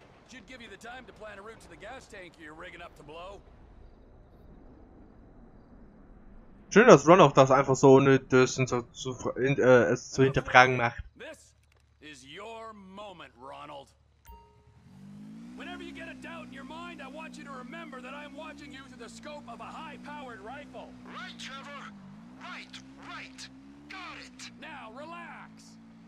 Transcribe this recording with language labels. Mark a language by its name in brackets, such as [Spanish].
[English] Should give you the time to plan a route to the gas tank you're rigging up to blow. [German] Schön, dass Ron auch das einfach so ohne das zu hinterfragen macht. [English] This is your moment, Ronald. Whenever you get a doubt in your mind, I want you to remember that I'm watching you through the scope of a high-powered rifle. Right, Trevor. Right. Got it. Now relax.